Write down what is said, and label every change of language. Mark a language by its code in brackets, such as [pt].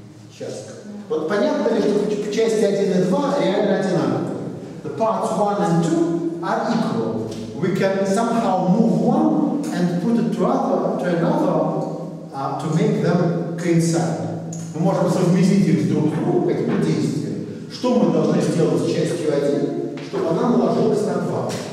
[ru] Сейчас. Вот понятно ли, что части 1 и 2 реально одинаковы? [en] The parts 1 and 2 are equal. We can somehow move one and put it to another. To make them coincide. [ru] Мы можем совместить их друг с другом какими действиями. Что мы должны сделать с частью 1, чтобы она наложилась на 2?